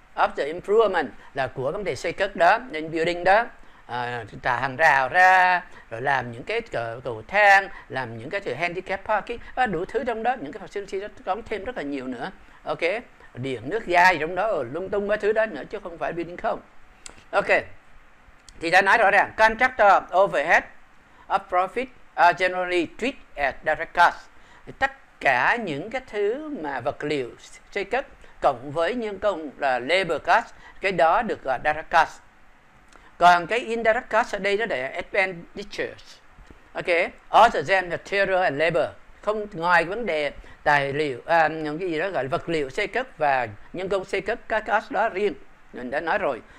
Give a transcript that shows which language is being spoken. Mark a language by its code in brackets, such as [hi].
[vi] after improvement là của công ty xây cất đó, nên building đó, trả hàng rào ra, rồi làm những cái cầu thang, làm những cái handicap parking, đủ thứ trong đó, những cái facility đó có thêm rất là nhiều nữa. Ok, điện nước ga gì trong đó, lung tung mấy thứ đó nữa chứ không phải building không. Ok, thì ta nói rõ ràng, [en] contractor overhead of profit are generally treated as direct cost. [vi] Tất cả những cái thứ mà vật liệu xây cất cộng với nhân công là labor cost, cái đó được gọi direct cost. Còn cái indirect cost ở đây đó là expenditures. Ok, [en] other than material and labor, [vi] không ngoài vấn đề tài liệu, những cái gì đó gọi là vật liệu xây cất và nhân công xây cất, các cost đó riêng mình đã nói rồi.